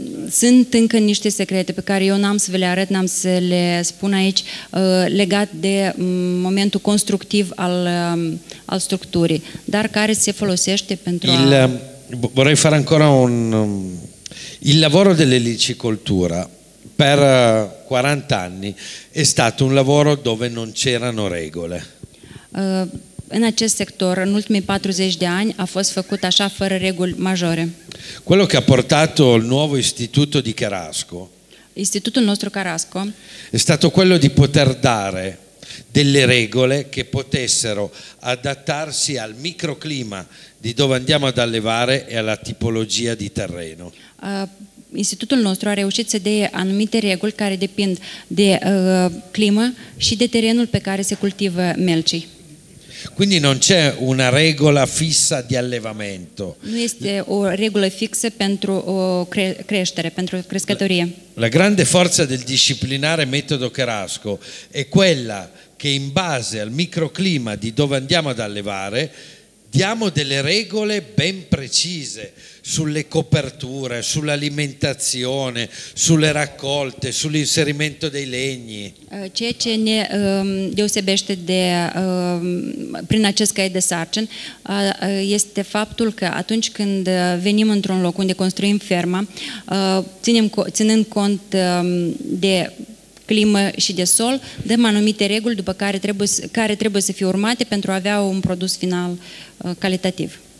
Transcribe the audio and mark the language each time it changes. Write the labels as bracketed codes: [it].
[ro] Sunt încă niște secrete pe care eu n-am să vă le arăt, n-am să le spun aici, legat de momentul constructiv al structurii, dar care se folosește pentru [it] vorrei fare ancora un... Il lavoro dell'elicicoltura per 40 anni è stato un lavoro dove non c'erano regole. [ro] In acest sector, în ultimii 40 de ani, a fost făcut așa fără reguli majore. [it] Quello che ha portato il nuovo istituto di Carasco. [ro] Istitutul nostru Carasco. [it] È stato quello di poter dare delle regole che potessero adattarsi al microclima di dove andiamo ad allevare e alla tipologia di terreno. [ro] Institutul nostru a reușit să dea anumite reguli care depind de climă și de terenul pe care se cultivă melcii. [it] Quindi non c'è una regola fissa di allevamento. [ro] Nu este o regulă fixă pentru o creștere, pentru crescătorie. [it] La grande forza del disciplinare metodo Carasco è quella che in base al microclima di dove andiamo ad allevare diamo delle regole ben precise sulle coperture, sull'alimentazione, sulle raccolte, sull'inserimento dei legni. [ro] Ceea ce ne deosebește de, prin acest cai de sarcin este faptul că atunci când venim într-un loc unde construim ferma, ținând cont de climă și de sol, dăm anumite reguli după care trebuie să fie urmate pentru a avea un produs final calitativ.